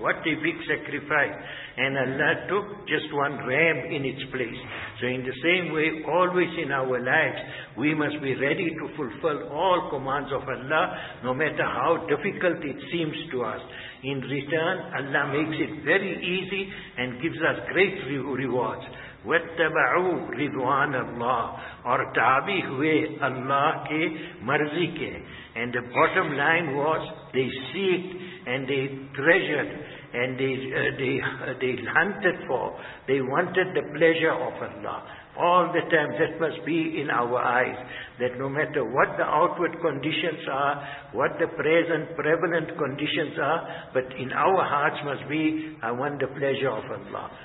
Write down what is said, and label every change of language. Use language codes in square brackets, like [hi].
[en] What a big sacrifice. And Allah took just one ram in its place. So in the same way, always in our lives, we must be ready to fulfill all commands of Allah, no matter how difficult it seems to us. In return, Allah makes it very easy and gives us great rewards. [ar] وَاتَّبَعُوا رِضْوَانَ اللَّهِ [ur] اور تابع ہوئے اللہ کے مرضی کے. [en] And the bottom line was, they seeked and they treasured and they hunted for, they wanted the pleasure of Allah. All the time, that must be in our eyes, that no matter what the outward conditions are, what the present prevalent conditions are, but in our hearts must be, I want the pleasure of Allah.